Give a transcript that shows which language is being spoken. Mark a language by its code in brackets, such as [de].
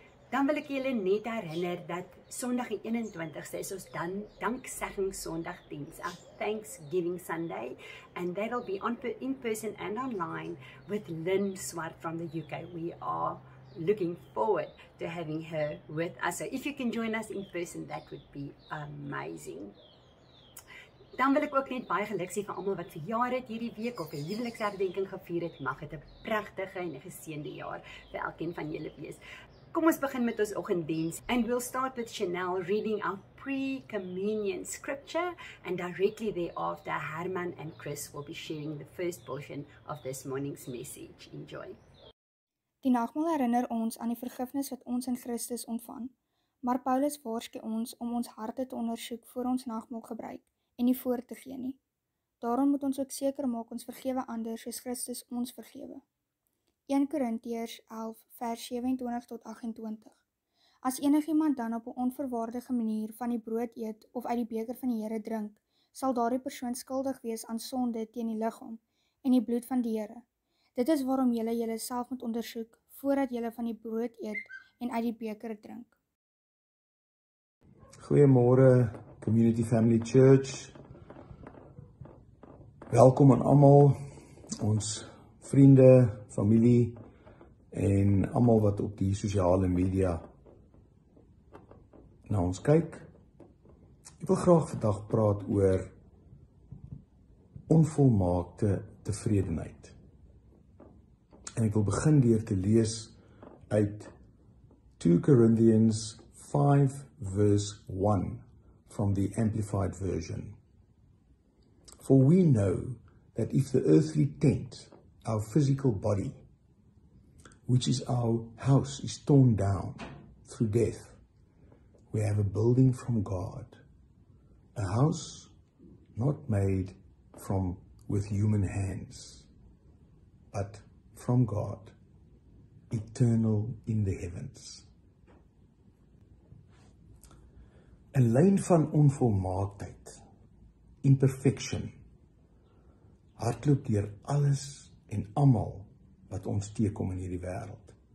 [af] Dan wil ek julle net herinner dat Sondag die 21ste is ons dan Danksegging Sondag diens, [en] a Thanksgiving Sunday, and that will be on in person and online with Lynn Swart from the UK. We are looking forward to having her with us. So if you can join us in person, that would be amazing. [af] Dan wil ek ook net baie geluk sê vir almal wat verjaar het hierdie week of 'n huweliksherdenking gevier het. Mag dit 'n pragtige en 'n geseënde jaar vir elkeen van julle wees. Kom ons begin met ons oggenddiens. [en] And we'll start with Chanel reading our pre-communion scripture and directly thereafter Herman and Chris will be sharing the first portion of this morning's message. Enjoy. [af] Die nagmaal herinner ons aan die vergifnis wat ons in Christus ontvang. Maar Paulus waarsku ons om ons harte te ondersoek voor ons nagmaal gebruik en nie voor te gee nie. Daarom moet ons ook seker maak ons vergewe ander soos Christus ons vergewe. 1 Korintiërs 11 vers 27 tot 28. As enigiemand dan op 'n onverwaardige manier van die brood eet of uit die beker van die Here drink, sal daardie persoon skuldig wees aan sonde teen die liggaam en die bloed van die Here. Dit is waarom julle julleself moet ondersoek voordat julle van die brood eet en uit die beker drink. Goeiemôre Community Family Church. Welkom aan almal, ons vriende, familie en almal wat op die sosiale media na ons kyk. Ek wil graag vandag praat oor onvolmaakte tevredenheid. En ek wil begin deur te lees uit 2 Corinthians 5 verse 1. [en] From the Amplified Version. For we know that if the earthly tent, our physical body, which is our house, is torn down through death, we have a building from God, a house not made from with human hands, but from God, eternal in the heavens. [af] 'n Lyn van onvolmaaktheid, imperfection, hardloop deur alles en almal wat ons teekom in hierdie wêreld.